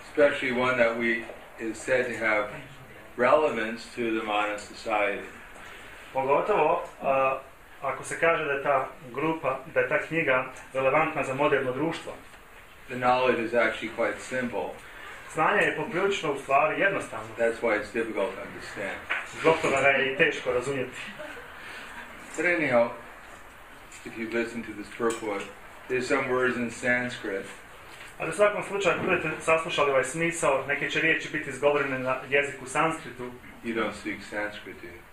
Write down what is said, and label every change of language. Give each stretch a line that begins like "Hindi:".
English: Especially one that we is said to have relevance to the modern society.
Bosnian: Pogotovo ako se kaže da je ta grupa, da je ta knjiga relevantna za moderno društvo.
English: The knowledge is actually quite simple.
Bosnian: Znanje je poprilično u stvari jednostavno.
English: That's why it's difficult to understand.
Bosnian: Zbog toga ga je i teško razumjeti.
English: But anyhow, if you listen to this purport, there's some words in Sanskrit.
Bosnian: Ali u svakom slučaju, ako budete saslušali ovaj smisao, neke će riječi biti izgovorene na jeziku sanskritu.
English: You don't speak Sanskrit, do you?